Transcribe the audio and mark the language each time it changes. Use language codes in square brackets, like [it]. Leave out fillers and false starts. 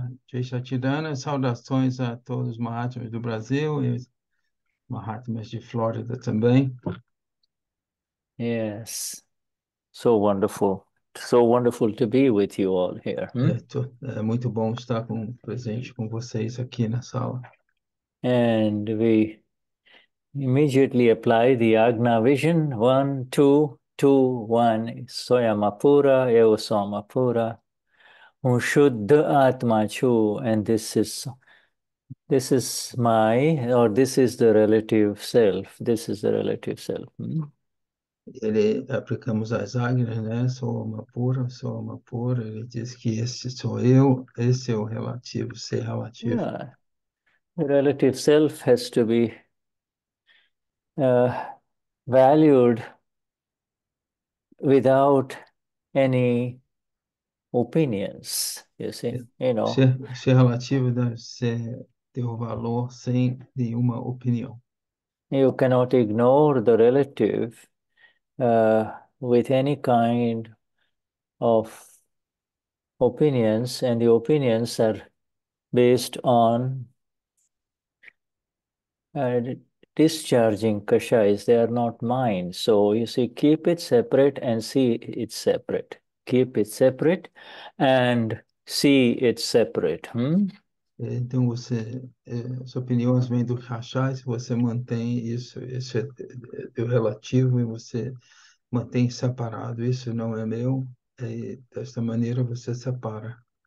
[pt] Jai Satidana, saudações a todos os Mahatmas do Brasil e os Mahatmas de Flórida também. [en] Yes, so wonderful to be with you all here. [pt] É muito bom estar presente com vocês aqui na sala. [en] And we immediately apply the Agna vision, 1, 2, 2, 1, Soyamapura, Eosomapura, Vishuddhatmachu, and this is my, or this is the relative self. This is the relative self. [pt] Ele aplicamos as Agnas, né? Sou uma pura, ele diz que esse sou eu, esse é o relativo, ser relativo. [en] Yeah. The relative self has to be valued without any opinions, you see, you know. [pt] Ser relativo deve ter o valor sem nenhuma opinião. [en] You cannot ignore the relative with any kind of opinions, and the opinions are based on discharging kashas, they are not mine. So you see, keep it separate and see it separate. Keep it separate and see it separate. [pt] Então, suas opiniões vêm do rachá, se você mantém isso é do relativo e você mantém separado, isso não é meu, e desta maneira você separa.